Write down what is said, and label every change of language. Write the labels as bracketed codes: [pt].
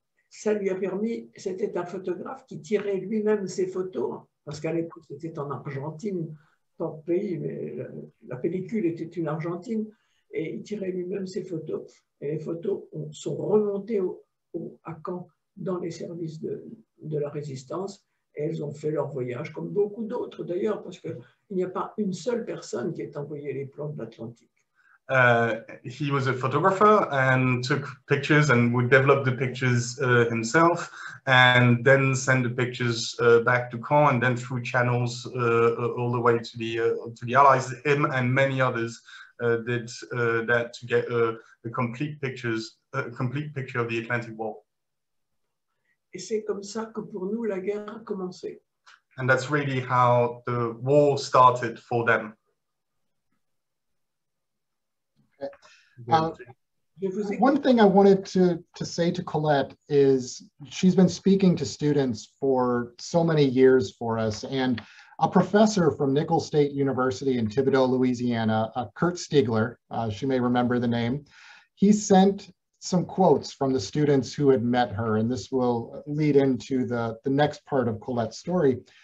[fr] Ça lui a permis, c'était un photographe qui tirait lui-même ses photos, parce qu'à l'époque c'était en Argentine, pas le pays, mais la pellicule était une Argentine. Et il tirait lui-même ses photos. Et les photos sont remontées à Caen dans les services de la résistance. Et elles ont fait leur voyage, comme beaucoup d'autres d'ailleurs, parce qu'il n'y a pas une seule personne qui ait envoyé les plans de l'Atlantique. [en] He was a photographer and took pictures and would develop the pictures himself and then send the pictures back to Caen and then through channels all the way to the Allies. Him and many others did that to get the complete picture of the Atlantic War. [fr] Et c'est comme ça que pour nous la guerre a commencé. [en] And that's really how the war started for them. One thing I wanted to say to Colette is she's been speaking to students for so many years for us, and a professor from Nicholls State University in Thibodaux, Louisiana, Kurt Stiegler, she may remember the name, he sent some quotes from the students who had met her, and this will lead into the next part of Colette's story.